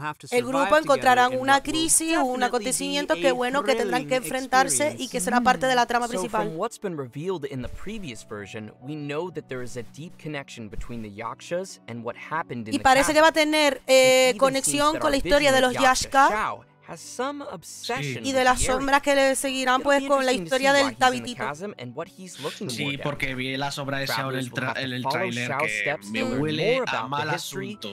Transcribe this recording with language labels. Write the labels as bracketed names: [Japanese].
[Spanish] El grupo encontrará una crisis, un acontecimiento que bueno que tendrán que enfrentarse y que será parte de la trama principal. [English] From what's been revealed in the previous version, we know that there is a deep connection between the yakshas and what happened in the [Spanish] y parece que va a tener conexión con la historia de los yaksha. Sí. Y de las sombras que le seguirán, pues, con la historia del Tabitito. Sí, porque vi la sombra de Shao en el tráiler que me huele a mal asunto.